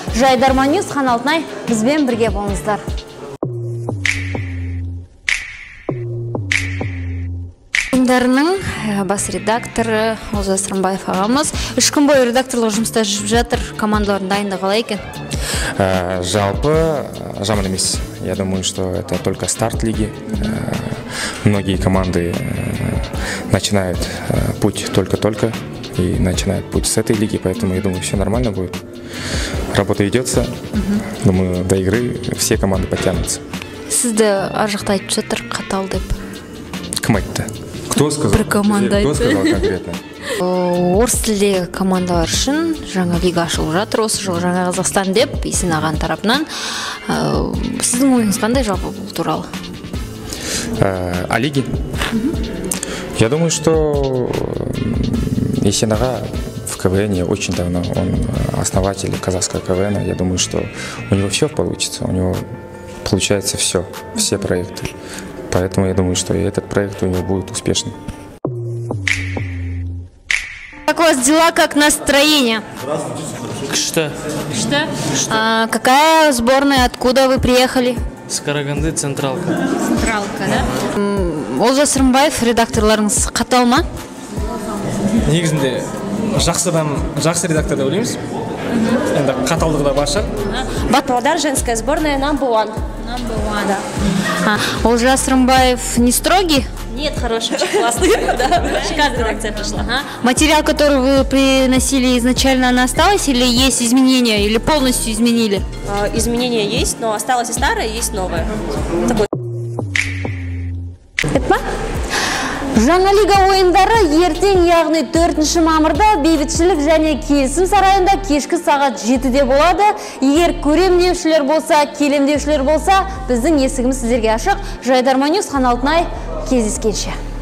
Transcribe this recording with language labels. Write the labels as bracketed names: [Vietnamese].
[Kazakh] Жайдарман Ньюс Хан Алтынай, бізбен бірге болыңыздар. Дарының бас редакторы Олжас Рымбаев ағамыз. Үш күн бойы редакторлық жұмыста жүріп жатыр. Командалардың дайындығы қалай екен? Жалпы жаман емес. [Russian] Я думаю, что это только старт лиги. Многие команды начинают путь только-только и начинают путь с этой лиги, поэтому я думаю, все нормально будет. Работа ведется. Думаю, до игры все команды подтянутся. [Kazakh] Сізді аржақта айтып жатыр, қатал деп. Кім айтты? [Russian] Кто сказал? Команда. Кто сказал конкретно? [Kazakh] Орыс тілді командалар үшін жаңа лига ашылып жатыр. Осы жылы жаңа Қазақстан деп есін аған тарапынан. Сіздің ойыңыз қандай жалпы бұл туралы? [Russian] О лиге? Я думаю, что есін аға в КВН очень давно. Он основатель казахского КВН. Я думаю, что у него все получится. У него получается все. Все проекты. Поэтому я думаю, что и этот проект у него будет успешным. Как у вас дела, как настроение? Что? Что? А какая сборная, откуда вы приехали? С Караганды, Централка. Централка, да? [Kazakh] Олжас Рымбаев, редактор Ларнс, қатал ма? Негізінде, жақсы редактор дәулейміз. Енді қаталдығы да баршы. [Russian] Батпалдар, женская сборная, [English] number one. Number one, да. [Russian] Олжас Рымбаев не строгий? Нет, хороший, очень классный. Шикарная реакция пришла. Материал, который вы приносили изначально, она осталась или есть изменения, или полностью изменили? Изменения есть, но осталось и старое, и есть новое. [Kazakh] Жаңа лига ойындары ертең, яғни 4 мамырда бейбітшілік және келісім сарайында кешкі сағат 7-де болады. Егер көремдеушілер болса, келемдеушілер болса, біздің есігіміз сіздерге ашық. Жайдарман Ньюс, Хан Алтынай, кездескенше.